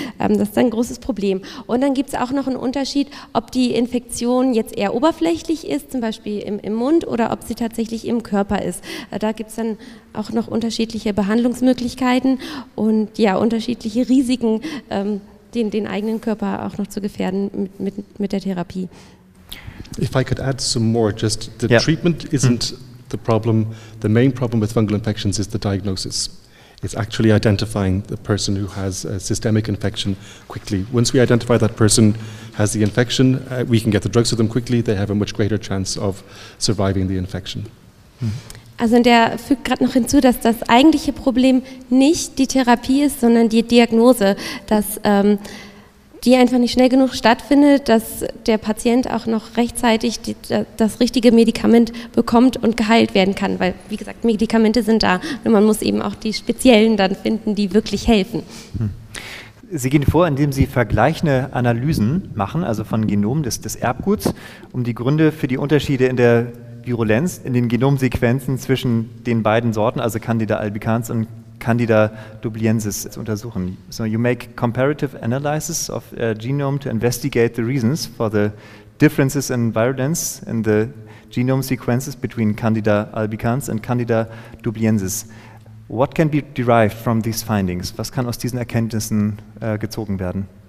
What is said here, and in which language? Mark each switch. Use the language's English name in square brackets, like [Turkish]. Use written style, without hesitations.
[German] Das ist ein großes Problem. Und dann gibt es auch noch einen Unterschied, ob die Infektion jetzt eher oberflächlich ist, zum Beispiel im Mund, oder ob sie tatsächlich im Körper ist. Da gibt es dann auch noch unterschiedliche Behandlungsmöglichkeiten und ja, unterschiedliche Risiken, den eigenen Körper auch noch zu gefährden mit der Therapie. [English] If I could add some more, just the yeah. treatment isn't the problem. The main problem with fungal infections is the diagnosis. It's actually identifying the person who has a systemic infection quickly. Once we identify that person has the infection, we can get the drugs to them quickly. They have a much greater chance of surviving the infection. [German] Also, der fügt gerade noch hinzu, dass das eigentliche Problem nicht die Therapie ist, sondern die Diagnose, dass die einfach nicht schnell genug stattfindet, dass der Patient auch noch rechtzeitig das richtige Medikament bekommt und geheilt werden kann. Weil, wie gesagt, Medikamente sind da. Nur man muss eben auch die speziellen dann finden, die wirklich helfen. Sie gehen vor, indem Sie vergleichende Analysen machen, also von Genomen des Erbguts, um die Gründe für die Unterschiede in der Virulenz, in den Genomsequenzen zwischen den beiden Sorten, also Candida albicans und Candida dubliensis zu untersuchen. [English] So you make comparative analysis of genome to investigate the reasons for the differences in virulence in the genome sequences between Candida albicans and Candida dubliensis. What can be derived from these findings? [German] Was kann aus diesen Erkenntnissen gezogen werden?